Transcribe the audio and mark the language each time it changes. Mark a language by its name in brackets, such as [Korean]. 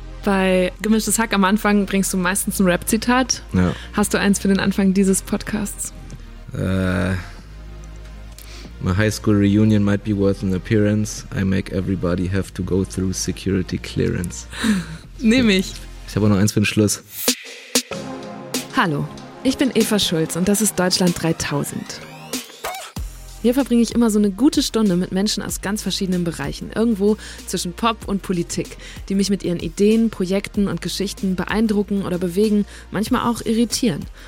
[German] Bei Gemischtes Hack am Anfang bringst du meistens ein Rap-Zitat. Ja. Hast du eins für den Anfang dieses Podcasts? [English] My high school reunion might be worth an appearance. I make everybody have to go through security clearance. [German] Nehme ich. Ich habe auch noch eins für den Schluss. Hallo, ich bin Eva Schulz und das ist Deutschland 3000. Hier verbringe ich immer so eine gute Stunde mit Menschen aus ganz verschiedenen Bereichen, irgendwo zwischen Pop und Politik, die mich mit ihren Ideen, Projekten und Geschichten beeindrucken oder bewegen, manchmal auch irritieren.